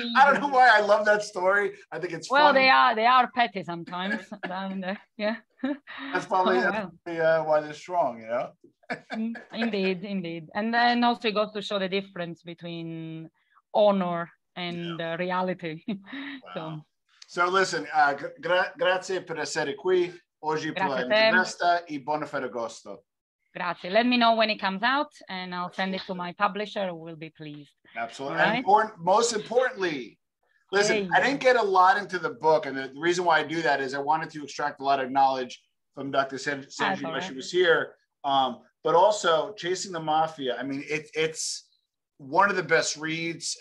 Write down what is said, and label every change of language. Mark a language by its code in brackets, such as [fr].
[en] I don't know why I love that story. I think it's funny. they are petty sometimes. That's probably why they're strong, indeed. And then also it goes to show the difference between honor and reality. So listen, [it] grazie per essere qui oggi per la festa e buon Ferragosto. Grazie. [en] Let me know when it comes out and I'll send it to my publisher, who will be pleased. Absolutely. Right? And most importantly, Listen, hey. I didn't get a lot into the book. And the reason why I do that is I wanted to extract a lot of knowledge from Dr. Sergi while she was here. But also, Chasing the Mafia, I mean, it's one of the best reads.